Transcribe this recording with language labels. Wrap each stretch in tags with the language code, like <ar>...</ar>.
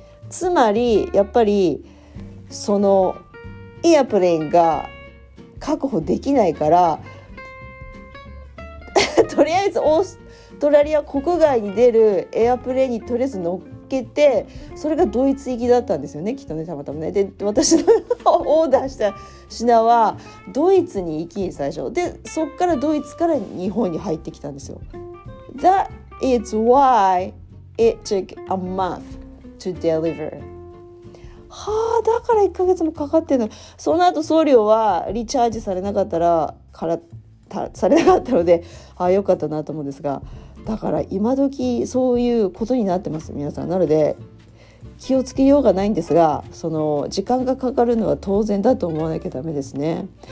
<ja>つまりやっぱりそのエアプレインが確保できないからとりあえずオーストラリア国外に出るエアプレインにとりあえず乗っけて、それがドイツ行きだったんですよね、きっとね、たまたまね。で私のオーダーした品はドイツに行き最初で、そっからドイツから日本に入ってきたんですよ。</ja> <en>That is why it took a month to deliver。</en> <ja>はあ、だから1ヶ月もかかってんの。その後送料はリチャージされなかったら、されなかったので、ああよかったなと思うんですが、だから今時そういうことになってます皆さん。なので気をつけようがないんですが、その時間がかかるのは当然だと思わなきゃダメですね。</ja>